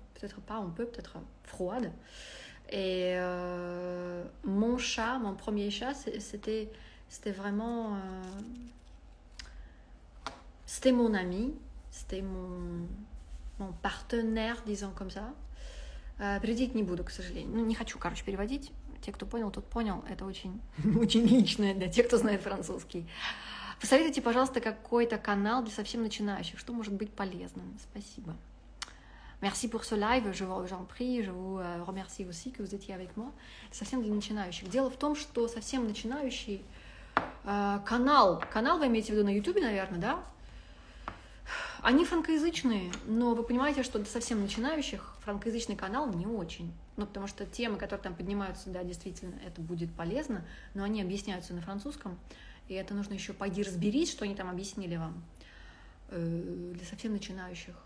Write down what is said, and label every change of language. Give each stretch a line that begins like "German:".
French: Peut-être pas un peu, peut-être froide. Et mon chat, mon premier chat, c'était vraiment... c'était mon ami, c'était mon partenaire, disons comme ça.
Russian: Переводить не буду, к сожалению. Ну, не хочу, короче, переводить. Те, кто понял, тот понял. Это очень, очень личное для тех, кто знает французский. Посоветуйте, пожалуйста, какой-то канал для совсем начинающих. Что может быть полезным? Спасибо.
French: Merci pour ce live. Je vous en prie. Je vous remercie aussi que vous étiez avec moi.
Russian: Совсем для начинающих. Дело в том, что совсем начинающий канал... Канал вы имеете в виду на YouTube, наверное, да? Они франкоязычные, но вы понимаете, что для совсем начинающих франкоязычный канал не очень. Ну, потому что темы, которые там поднимаются, да, действительно, это будет полезно, но они объясняются на французском, и это нужно еще пойди разберись, что они там объяснили вам для совсем начинающих.